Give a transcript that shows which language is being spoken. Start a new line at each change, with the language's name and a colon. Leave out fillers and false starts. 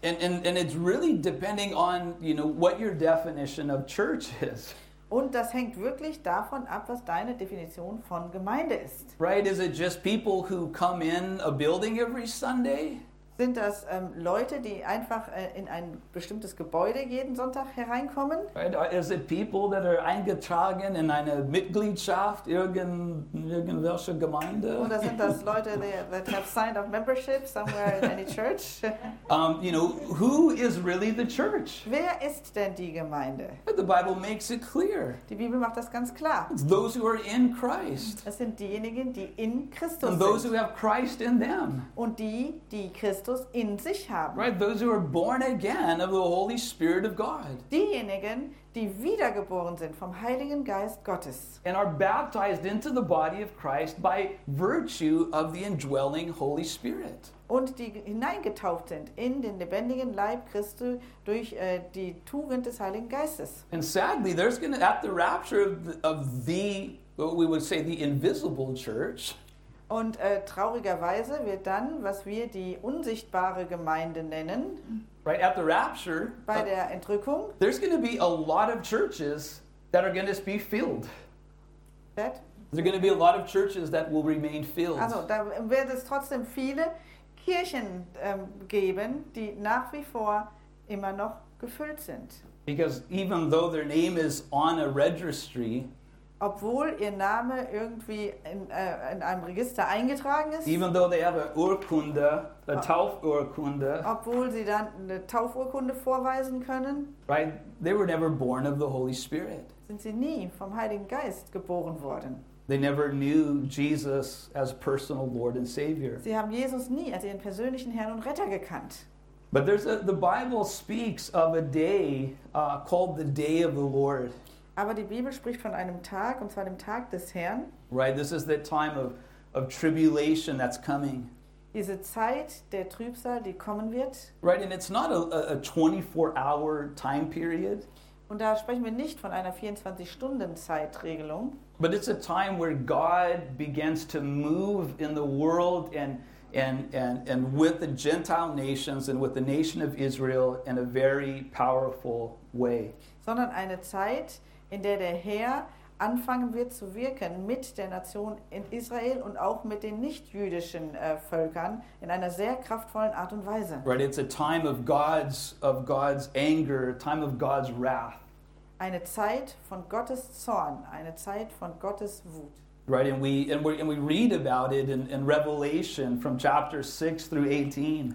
English: And it's really depending on, you know, what your definition of church is.
German: Und das hängt wirklich davon ab, was deine Definition von Gemeinde ist.
English: Right, is it just people who come in a building every Sunday?
German: Sind das Leute, die einfach in ein bestimmtes Gebäude jeden Sonntag hereinkommen?
English: Right, is it people that are
German: eingetragen in eine Mitgliedschaft irgendwelche Gemeinde? Oder sind das Leute,
English: that have signed up membership somewhere in any church? You know, who is really the church?
German: Wer ist denn die Gemeinde?
English: The Bible makes it clear.
German: Die Bibel macht das ganz klar.
English: It's those who are in Christ.
German: Das sind diejenigen, die in Christus sind.
English: And those who have Christ in them.
German: Und die Christus in sich haben.
English: Right, those who are born again of the Holy Spirit of God.
German: Diejenigen, die wiedergeboren sind vom Heiligen Geist Gottes.
English: And are baptized into the body of Christ by virtue of the indwelling Holy Spirit.
German: Und die hineingetauft sind in den lebendigen Leib Christi durch die Tugend des Heiligen Geistes.
English: And sadly, there's going to at the rapture we would say the invisible church.
German: Und traurigerweise wird dann, was wir die unsichtbare Gemeinde nennen,
English: right, at the rapture,
German: bei der Entrückung,
English: there's going to be a lot of churches that are going to be filled. There's going to be a lot of churches that will remain filled.
German: Also, da wird es trotzdem viele Kirchen geben, die nach wie vor immer noch gefüllt sind.
English: Because even though their name is on a registry,
German: obwohl ihr Name irgendwie in einem Register eingetragen ist,
English: even though they have a Taufurkunde,
German: obwohl sie dann eine Taufurkunde vorweisen können,
English: right, they were never born of the Holy Spirit.
German: Sind sie nie vom Heiligen Geist geboren worden.
English: They never knew Jesus as personal Lord and Savior.
German: Sie haben Jesus nie als ihren persönlichen Herrn und Retter gekannt.
English: But the Bible speaks of a day called the Day of the Lord.
German: Aber die Bibel spricht von einem Tag, und zwar dem Tag des Herrn.
English: Right, this is the time of tribulation that's coming.
German: Diese Zeit der Trübsal, die kommen wird.
English: Right, and it's not a 24-hour time period.
German: Und da sprechen wir nicht von einer 24-Stunden-Zeitregelung.
English: But it's a time where God begins to move in the world and with the Gentile nations and with the nation of Israel in a very powerful way.
German: Sondern eine Zeit, in der der Herr anfangen wird zu wirken mit der Nation in Israel und auch mit den nichtjüdischen Völkern in einer sehr kraftvollen Art und Weise.
English: Right, it's a time of God's anger, a time of God's wrath.
German: Eine Zeit von Gottes Zorn, eine Zeit von Gottes Wut.
English: Right, and we read about it in Revelation from chapter 6 through 18.